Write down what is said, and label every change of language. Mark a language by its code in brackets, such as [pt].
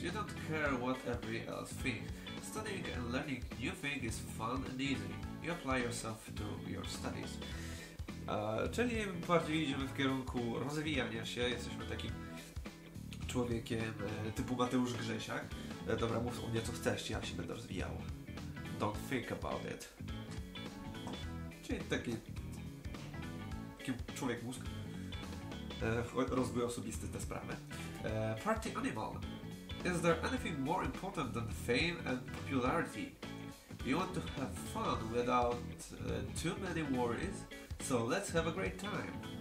[en] You don't care what everyone else thinks. Studying and learning new things is fun and easy. You apply yourself to your studies. [pl] Czyli bardziej idziemy w kierunku rozwijania się, jesteśmy takim człowiekiem typu Mateusz Grzesiak. Dobra, mów o mnie co chcesz, ja się będę rozwijał. [en] Don't think about it. [pl] Czyli taki człowiek mózg. Rozwój osobisty, te sprawy. [en] Party animal. Is there anything more important than fame and popularity? You want to have fun without too many worries? So let's have a great time.